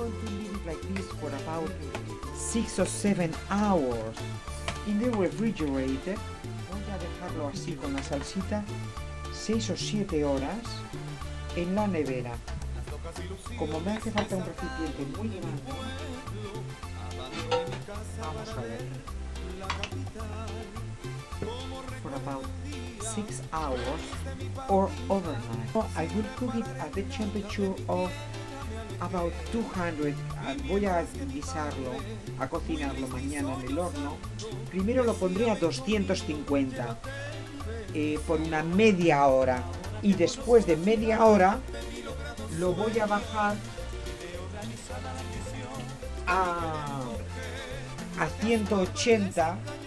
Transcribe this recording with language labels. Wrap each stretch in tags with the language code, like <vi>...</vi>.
<en>I'm going to leave it like this for about 6 or 7 hours in the refrigerator.</en> <es>Voy a dejarlo así con la salsita 6 o 7 horas en la nevera. Como me hace falta un recipiente muy grande, vamos a ver.</es> <en>For about 6 hours or overnight. So I will cook it at the temperature of about 200.</en> <es>Voy a guisarlo, a cocinarlo mañana en el horno. Primero lo pondré a 250 por una media hora. Y después de media hora lo voy a bajar a 180.</es>